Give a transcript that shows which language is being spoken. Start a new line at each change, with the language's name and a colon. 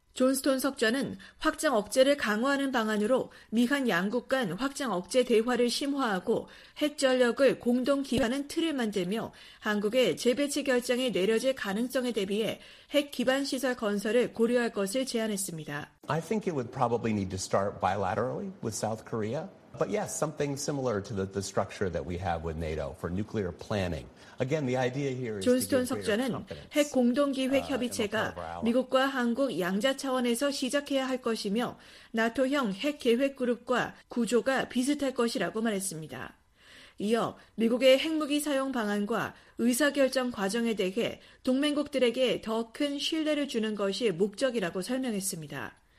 Korean: 존스톤 석좌는 확장 억제를 강화하는 방안으로 미한 양국 간 확장 억제 대화를 심화하고 핵 전력을 공동 기반하는 틀을 만들며 한국의 재배치 결정이 내려질 가능성에 대비해 핵 기반 시설 건설을 고려할 것을 제안했습니다.
English: I think it would probably need to start bilaterally with South Korea. But yes, something similar to the structure that we have with NATO for nuclear planning. Again, the idea here is
Korean: 존스톤 석좌는 핵 공동 기획 협의체가 미국과 한국 양자 차원에서 시작해야 할 것이며 나토형 핵 계획 그룹과 구조가 비슷할 것이라고 말했습니다. 이어 미국의 핵무기 사용 방안과 의사결정 과정에 대해 동맹국들에게 더 큰 신뢰를 주는 것이 목적이라고 설명했습니다.